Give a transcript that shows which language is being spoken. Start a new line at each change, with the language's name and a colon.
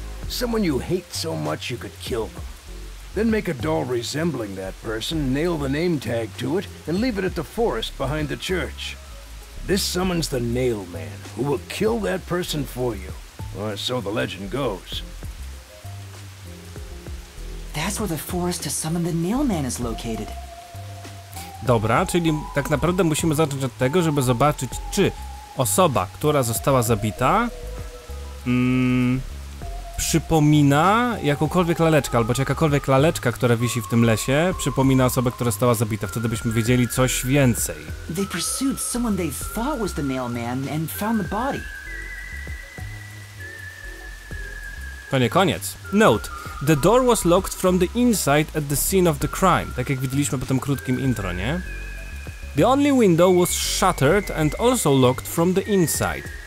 English: Someone you hate so much you could kill them. Then make a doll resembling that person, nail the name tag to it, and leave it at the forest behind the church. This summons the nail man, who will kill that person for you. Or so the legend goes. That's where the forest to summon the nail man is located.
Polish: Dobra, czyli tak naprawdę musimy zacząć od tego, żeby zobaczyć, czy osoba, która została zabita, przypomina jakąkolwiek laleczkę, albo czy jakakolwiek laleczka, która wisi w tym lesie, przypomina osobę, która została zabita. Wtedy byśmy wiedzieli coś więcej.
English: They pursued someone they thought was the mailman and found the body.
Polish: To nie koniec.
English: Note. The door was locked from the inside at the scene of the crime,
Polish: tak jak widzieliśmy po tym krótkim intro, nie?
English: The only window was shattered and also locked from the inside.